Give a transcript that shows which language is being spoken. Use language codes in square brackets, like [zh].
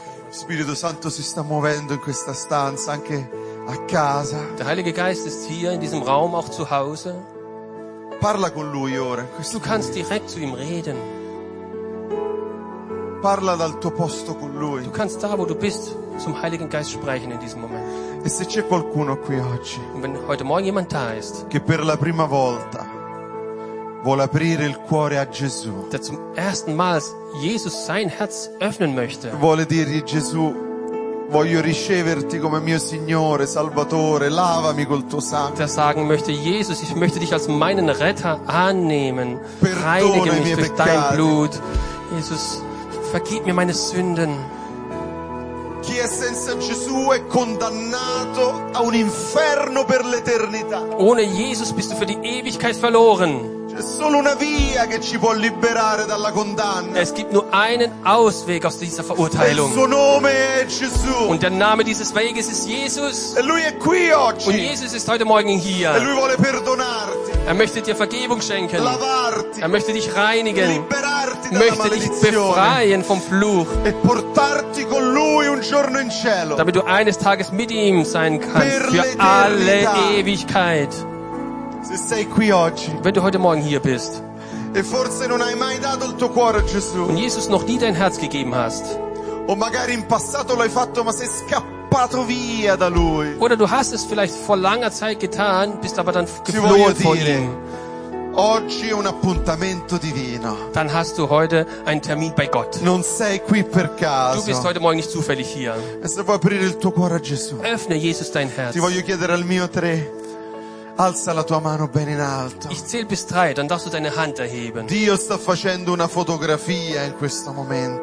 [it] Spirito Santo si sta muovendo in questa stanza anche a casa. [de] Der Heilige Geist ist hier in diesem Raum auch zu Hause. [it] Parla con lui ora. [de] Du kannst direkt zu ihm reden. [it] Parla dal tuo posto con lui. [de] Du kannst da, wo du bist, zum Heiligen Geist sprechen in diesem Moment. [it] E se c'è qualcuno qui oggi, [de] und wenn heute Morgen jemand da ist, [it] che per la prima volta vuole aprire il cuore a Gesù. [de] Der zum ersten Mal Jesus sein Herz öffnen möchte. [it] Vuole dirgli, Gesù, voglio riceverti come mio Signore, Salvatore, lavami col tuo sangue. [de] Der sagen möchte, Jesus, ich möchte dich als meinen Retter annehmen. Reinige mich durch dein Blut. Jesus, vergib mir meine Sünden. [it] Chi è senza Gesù è condannato a un inferno per l'eternità. [de] Ohne Jesus bist du für die Ewigkeit verloren. [it] C'è solo una via che ci può liberare dalla condanna. [de] Es gibt nur einen Ausweg aus dieser Verurteilung. [it] Il suo nome è Gesù. [de] Und der Name dieses Weges ist Jesus. [it] E lui è qui oggi. [de] Und Jesus ist heute Morgen hier. [it] E lui vuole perdonarti. [de] Er möchte dir Vergebung schenken. [it] Lavarti. [de] Er möchte dich reinigen. [it] Liberarti dalla [de] möchte [it] maledizione. [de] Dich befreien vom Fluch. [it] E portarti con lui un giorno in cielo. [de] Damit du eines Tages mit ihm sein kannst. [it] Per [de] für [it] l'eternità. [de] Alle Ewigkeit. [it] Se sei qui oggi, [de] wenn du heute Morgen hier bist [it] e forse non hai mai dato il tuo cuore a Gesù, [de] und Jesus noch nie dein Herz gegeben hast, [it] o magari in passato l'hai fatto, ma sei scappato via da lui, [de] oder du hast es vielleicht vor langer Zeit getan, bist aber dann geflohen von ihm. [it] Oggi è un appuntamento divino. [de] Dann hast du heute einen Termin bei Gott. [it] Non sei qui per caso. [de] Du bist heute Morgen nicht zufällig hier. [it] E se vuoi aprire il tuo cuore a Gesù, [de] öffne Jesus dein Herz. [it] Ti voglio chiedere al mio tre. Alza la tua mano ben in alto. [de] Ich zähl bis drei, dann darfst du deine Hand erheben. [it] Dio sta facendo una fotografia in questo momento.